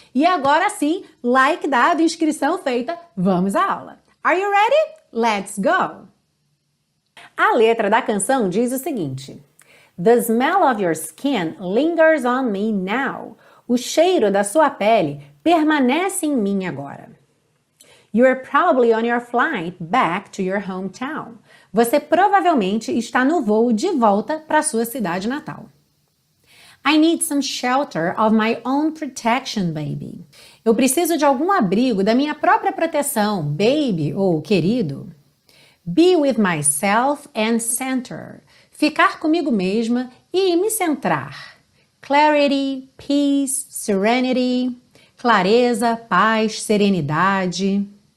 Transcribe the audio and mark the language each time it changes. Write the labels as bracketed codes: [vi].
[pt] E agora sim, like dado, inscrição feita, vamos à aula. [en] Are you ready? Let's go! [pt] A letra da canção diz o seguinte: [en] The smell of your skin lingers on me now. [pt] O cheiro da sua pele permanece em mim agora. [en] You're probably on your flight back to your hometown. [pt] Você provavelmente está no voo de volta para sua cidade natal. [en] I need some shelter of my own protection, baby. [pt] Eu preciso de algum abrigo da minha própria proteção, baby ou querido. [en] Be with myself and center. [pt] Ficar comigo mesma e me centrar. [en] Clarity, peace, serenity. [pt] Clareza, paz, serenidade.